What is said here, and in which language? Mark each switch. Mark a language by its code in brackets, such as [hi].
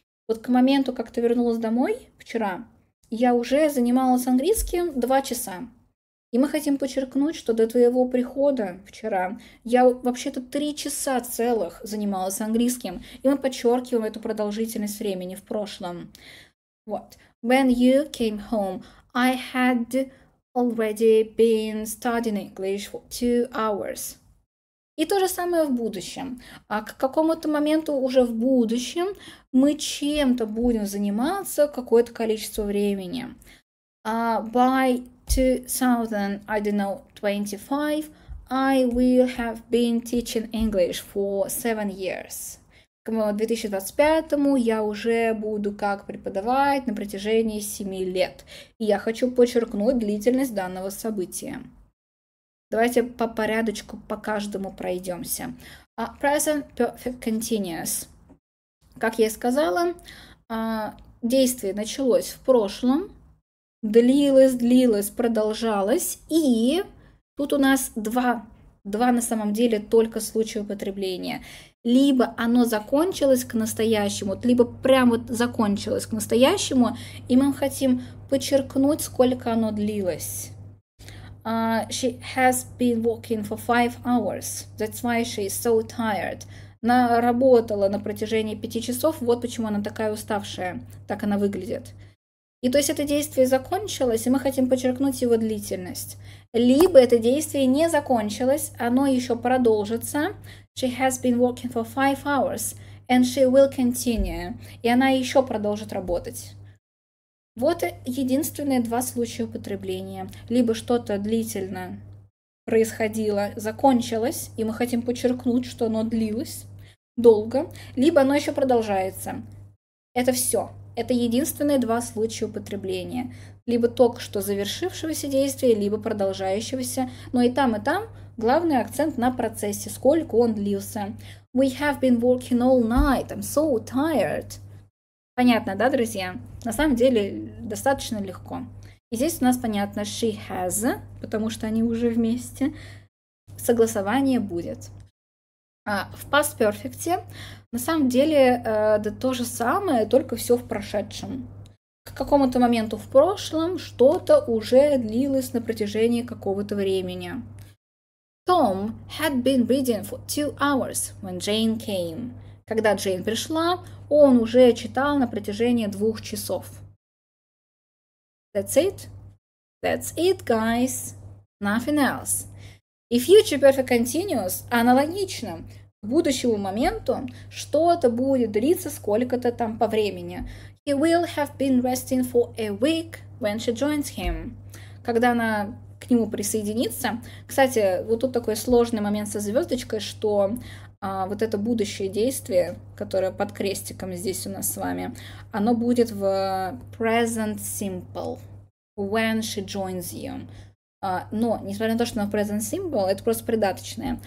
[ru] Вот к моменту, как ты вернулась домой вчера, я уже занималась английским 2 часа. И мы хотим подчеркнуть, что до твоего прихода вчера я вообще-то 3 часа целых занималась английским. И мы подчеркиваем эту продолжительность времени в прошлом. Вот. [en] When you came home, I had already been studying English for 2 hours. [ru] И то же самое в будущем. А к какому-то моменту уже в будущем мы чем-то будем заниматься какое-то количество времени. [en] By 2025, I will have been teaching English for 7 years. [ru] К 2025 я уже буду как преподавать на протяжении 7 лет. И я хочу подчеркнуть длительность данного события. Давайте по порядочку по каждому пройдемся. [en] Present perfect continuous. [ru] Как я и сказала, действие началось в прошлом, длилось, продолжалось, и тут у нас два на самом деле только случая употребления. Либо оно закончилось к настоящему, либо прямо закончилось к настоящему, и мы хотим подчеркнуть, сколько оно длилось. [en] She has been walking for 5 hours. That's why she is so tired. [ru] Она работала на протяжении 5 часов. Вот почему она такая уставшая. Так она выглядит. И то есть это действие закончилось, и мы хотим подчеркнуть его длительность. Либо это действие не закончилось, оно еще продолжится. [en] She has been walking for 5 hours, and she will continue. [ru] И она еще продолжит работать. Вот единственные два случая употребления. Либо что-то длительно происходило, закончилось, и мы хотим подчеркнуть, что оно длилось долго, либо оно еще продолжается. Это все. Это единственные два случая употребления. Либо только что завершившегося действия, либо продолжающегося. Но и там главный акцент на процессе, сколько он длился. [en] We have been working all night. I'm so tired. [ru] Понятно, да, друзья? На самом деле достаточно легко. И здесь у нас понятно she has, потому что они уже вместе. Согласование будет. В past perfect на самом деле да то же самое, только все в прошедшем. К какому-то моменту в прошлом что-то уже длилось на протяжении какого-то времени. [en] Tom had been reading for 2 hours when Jane came. [ru] Когда Джейн пришла, он уже читал на протяжении 2 часов. [en] That's it. That's it, guys. Nothing else. [ru] И future perfect continuous аналогично. К будущему моменту что-то будет длиться сколько-то там по времени. [en] He will have been resting for a week when she joins him. [ru] Когда она к нему присоединится. Кстати, вот тут такой сложный момент со звездочкой, что вот это будущее действие, которое под крестиком здесь у нас с вами, оно будет в present simple. [en] When she joins you. [ru] Но, несмотря на то, что оно в present simple, это просто придаточное.